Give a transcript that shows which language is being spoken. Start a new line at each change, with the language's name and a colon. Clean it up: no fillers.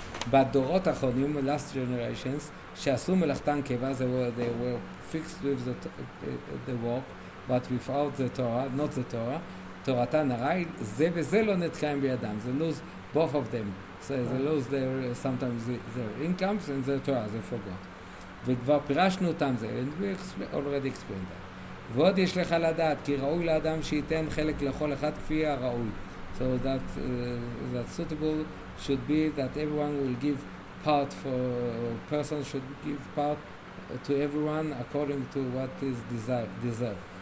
Hebrew: בדורות האחרונים,
English: last generations,
Hebrew: שעשו מלאכתן קבע,
English: they were fixed with the walk, but without the Torah, not the Torah,
Hebrew: תורתן הרי, זה וזה לא נתקיים באדם.
English: They lose both of them. So they lose their, sometimes their incomes and their Torah, they forgot.
Hebrew: וכבר פירשנו אותם זה,
English: and we already explained that.
Hebrew: ועוד יש לך לדעת, כי ראוי לאדם שייתן חלק לכל אחד כפי הראוי.
English: So that that suitable should be that everyone will give part for, person should give part to everyone according to what is deserved.